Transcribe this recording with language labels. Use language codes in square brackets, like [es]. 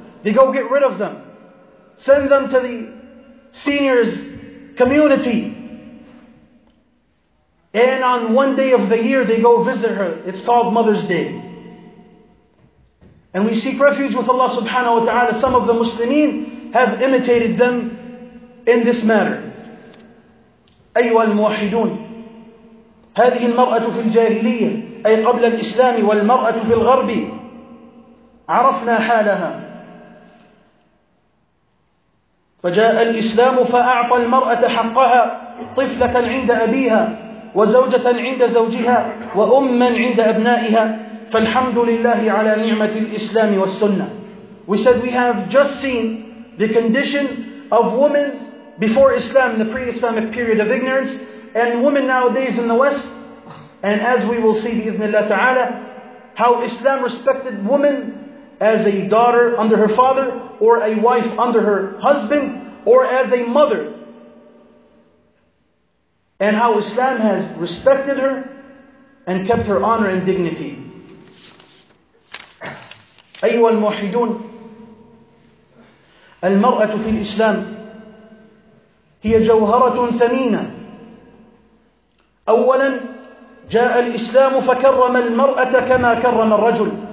[en] They go get rid of them. Send them to the seniors community. And on one day of the year, they go visit her. It's called Mother's Day. And we seek refuge with Allah subhanahu wa ta'ala. Some of the Muslimin have imitated them in this matter. [ar] أيها الموحدون هذه المرأة في الجاهلية أي قبل الإسلام والمرأة في الغرب عرفنا حالها فجاء الإسلام فأعطى المرأة حقها طفلة عند أبيها وزوجة عند زوجها وأما عند أبنائها فالحمد لله على نعمة الإسلام والسنة. [en] We said we have just seen the condition of women before Islam, the pre-Islamic period of ignorance, and women nowadays in the West, and as we will see, [ar] bi-ithnillah ta'ala, [en] how Islam respected women as a daughter under her father, or a wife under her husband, or as a mother. And how Islam has respected her and kept her honor and dignity. [ar] أيها الموحدون المرأة في الإسلام هي جوهرة ثمينة. أولا جاء الإسلام فكرم المرأة كما كرم الرجل.